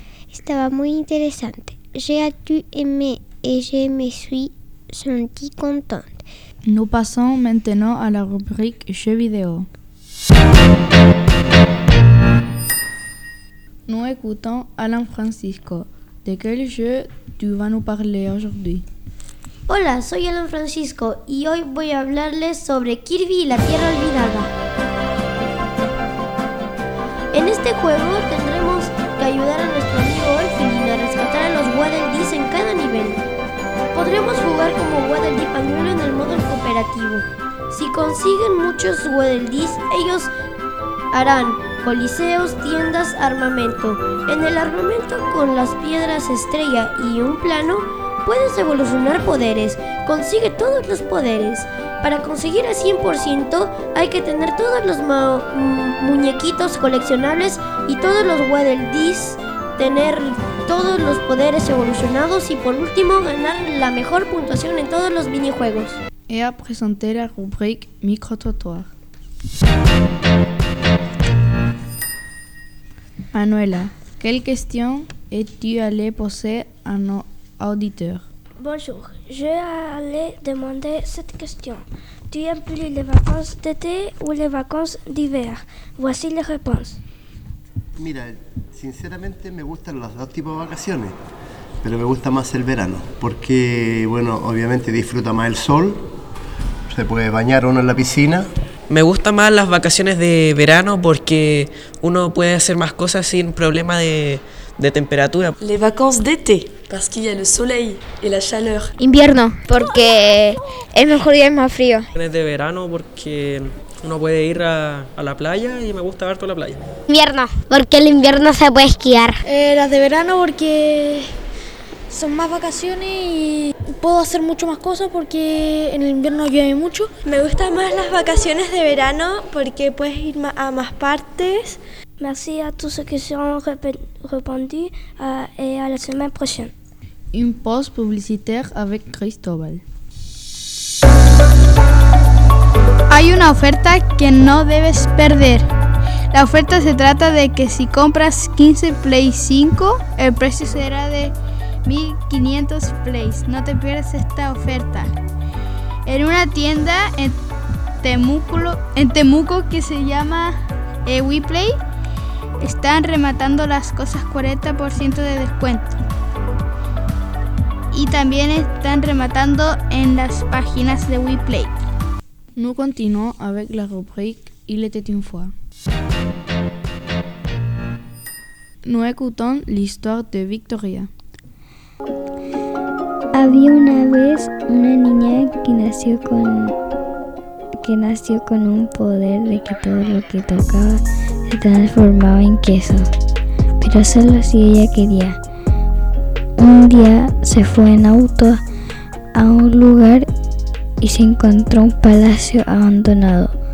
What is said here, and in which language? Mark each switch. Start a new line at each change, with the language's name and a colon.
French: C'était très intéressant. J'ai aimé et je me suis sentie contente. Nous passons maintenant à la rubrique jeux vidéo. Nous écoutons Alan Francisco. De quel jeu tu vas nous parler aujourd'hui?
Spanish: Hola, soy Alan Francisco y hoy voy a hablarles sobre Kirby y la Tierra Olvidada. En este juego tendremos que ayudar a nuestro amigo Orfinin a rescatar a los Waddle Dees en cada nivel. Podremos jugar como Waddle Dee pañuelo en el modo cooperativo. Si consiguen muchos Waddle Dees, ellos harán coliseos, tiendas, armamento. En el armamento con las piedras estrella y un plano, puedes evolucionar poderes. Consigue todos los poderes. Para conseguir al 100% hay que tener todos los muñequitos coleccionables y todos los Waddle Dees, tener todos los poderes evolucionados y por último ganar la mejor puntuación en todos los minijuegos.
French: Et à présenter la rubrique micro-trottoir. Manuela, quelle question es-tu allée poser à nos auditeurs? Bonjour, je allais demander cette question. Tu aimes plus les vacances d'été ou les vacances d'hiver? Voici les réponses.
Spanish: Mira, sinceramente me gustan los dos tipos de vacaciones, pero me gusta más el verano, porque, bueno, obviamente disfruta más el sol, se puede bañar uno en la piscina Me gustan más las vacaciones de verano porque uno puede hacer más cosas sin problema de temperatura.
French: Les vacances d'été, parce qu'il y a le soleil et la chaleur.
Spanish: Invierno, porque es mejor y es más frío. Vacaciones de verano porque uno puede ir a la playa y me gusta harto la playa. Invierno, porque el invierno se puede esquiar. Las de verano porque son más vacaciones y puedo hacer mucho más cosas porque en el invierno llueve mucho. Me gustan más las vacaciones de verano porque puedes ir a más partes.
French: Merci a tous ceux qui seront répondu et à la semaine prochaine. Une pause publicitaire avec Cristóbal.
Spanish: Hay una oferta que no debes perder. La oferta se trata de que si compras 15 Play 5, el precio será de 1500 plays. No te pierdas esta oferta. En una tienda en Temuco que se llama WePlay, están rematando las cosas 40% de descuento. Y también están rematando en las páginas de WePlay.
French: Nous continuons avec la rubrique Il était une fois. Nous écoutons l'histoire de Victoria.
Spanish: Había una vez una niña que nació con un poder de que todo lo que tocaba se transformaba en queso, pero solo si ella quería. Un día se fue en auto a un lugar y se encontró un palacio abandonado.